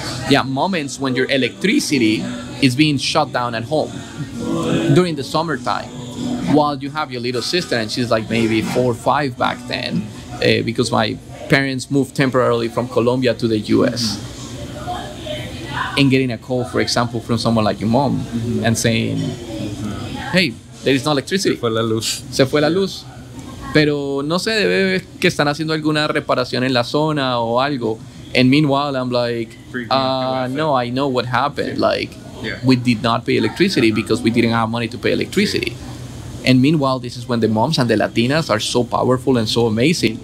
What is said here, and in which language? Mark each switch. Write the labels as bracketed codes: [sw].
[en] Yeah, moments when your electricity is being shut down at home during the summertime while you have your little sister and she's like maybe 4 or 5 back then because my parents moved temporarily from Colombia to the U.S., and getting a call, for example, from someone like your mom and saying, hey, there is no electricity. [es] Se fue la luz. Se fue la luz. Pero no se debe que están haciendo alguna reparación en la zona o algo. [en] And meanwhile, I'm like, no, I know what happened. Yeah. Like, we did not pay electricity because we didn't have money to pay electricity. And meanwhile, this is when the moms and the Latinas are so powerful and so amazing.